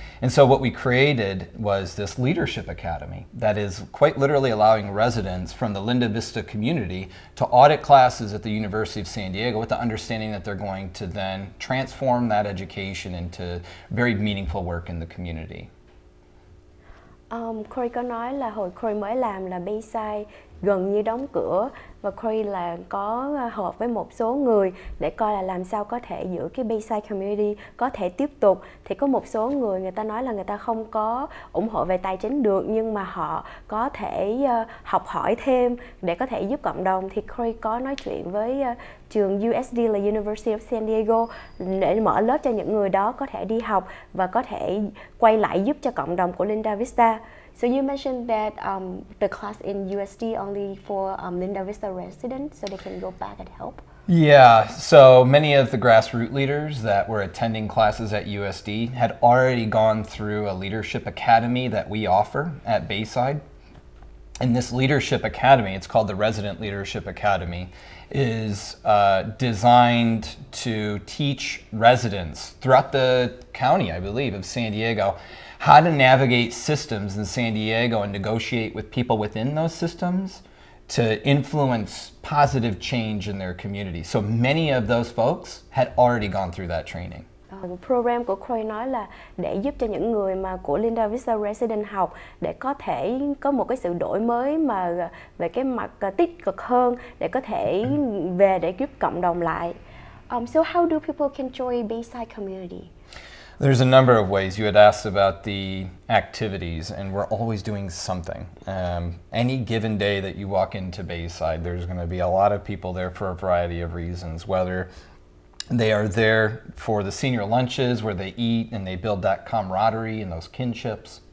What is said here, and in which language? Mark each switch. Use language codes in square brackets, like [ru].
[en] And so what we created was this leadership academy that is quite literally allowing residents from the Linda Vista community to audit classes at the University of San Diego with the understanding that they're going to then transform that education into very meaningful work in the community. [vi] Corey có nói là hồi Corey mới làm là Bayside gần như đóng cửa và Corey là có họp với một số người để coi là làm sao có thể giữ cái Bayside Community có thể tiếp tục. Thì có một số người, người ta nói là người ta không có ủng hộ về tài chính được nhưng mà họ có thể học hỏi thêm để có thể giúp cộng đồng. Thì Corey có nói chuyện với trường USD là University of San Diego để mở lớp cho những người đó có thể đi học và có thể quay lại giúp cho cộng đồng của Linda Vista. [en] So you mentioned that the class in USD only for Linda Vista residents, so they can go back and help? Yeah, so many of the grassroots leaders that were attending classes at USD had already gone through a leadership academy that we offer at Bayside. And this leadership academy, it's called the Resident Leadership Academy, is designed to teach residents throughout the county, I believe, of San Diego, how to navigate systems in San Diego and negotiate with people within those systems to influence positive change in their community. So many of those folks had already gone through that training. [vi] Program của Corey nói là để giúp cho những người mà của Linda Vista Resident học để có thể có một cái sự đổi mới mà về cái mặt tích cực hơn để có thể về để giúp cộng đồng lại. [en] So how do people can join Bayside community? There's a number of ways. You had asked about the activities, and we're always doing something. Any given day that you walk into Bayside, there's going to be a lot of people there for a variety of reasons, whether they are there for the senior lunches where they eat and they build that camaraderie and those kinships.